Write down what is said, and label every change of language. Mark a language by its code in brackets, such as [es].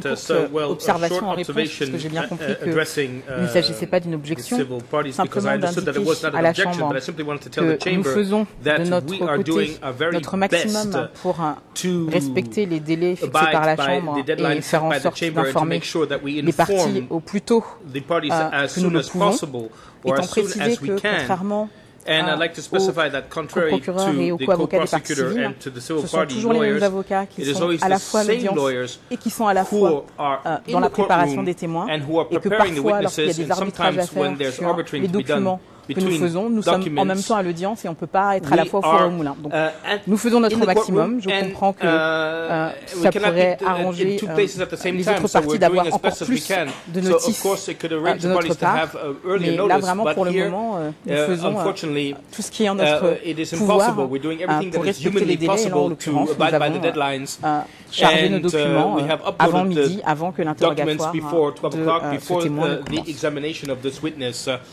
[fr] Donc, une courte observation en réponse, parce que j'ai bien compris que il ne s'agissait pas d'une objection, simplement d'un litige à la Chambre, que nous faisons de notre côté notre maximum pour respecter les délais fixés par la Chambre et faire en sorte d'informer les parties au plus tôt que nous le pouvons, étant précisé que, contrairement [en] And I'd like to specify that contrary to the co-prosecutor and to the civil party lawyers, it is always the same lawyers who are in the courtroom and who are preparing the witnesses and sometimes when there's arbitrary to be done. [fr] Que nous faisons, nous sommes en même temps à l'audience et on ne peut pas être à la fois au four et au moulin. Donc, nous faisons notre maximum. Je comprends que ça pourrait arranger les autres parties d'avoir encore plus de notices de notre part. Mais là, vraiment, pour le moment, nous faisons tout ce qui est en notre pouvoir pour respecter les délais. Et là, en l'occurrence, nous avons chargé nos documents avant midi, avant que l'interrogatoire de ce témoin ne commence.